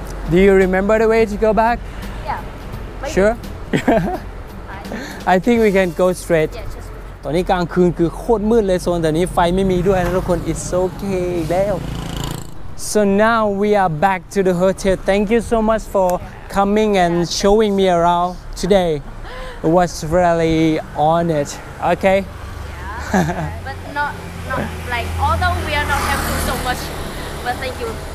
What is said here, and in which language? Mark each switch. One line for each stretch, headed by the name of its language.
English: Do you remember the way to go back? Yeah. Sure. I think we can go straight. Yeah, just.
Thai: ตอนนี้กลางคืนคือโคตรมืดเลยโซนแต่นี้ไฟไม่มีด้วยนะทุกคน
English: It's okay. Well. So now we are back to the hotel. Thank you so much for. Coming and showing me around today was really honored. Okay. Yeah. But not like although we are not having so much, but thank you.